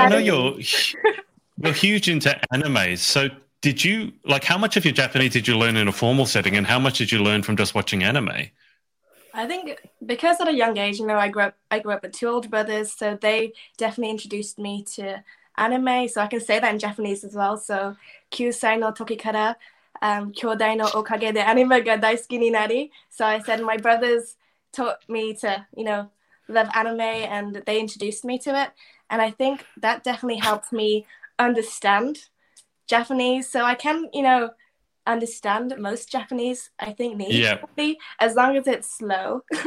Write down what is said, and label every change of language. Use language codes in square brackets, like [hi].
[en] I know you're huge into anime, so did you, how much of your Japanese did you learn in a formal setting, and how much did you learn from just watching anime? I think because at a young age, I grew up with two older brothers, so they definitely introduced me to anime, so I can say that in Japanese as well. [ja] So, 9歳の時から兄弟のおかげでアニメが大好きになり. [en] So I said my brothers taught me to, love anime, and they introduced me to it. And I think that definitely helped me understand Japanese. So I can, understand most Japanese, I think, needs, yeah, as long as it's slow.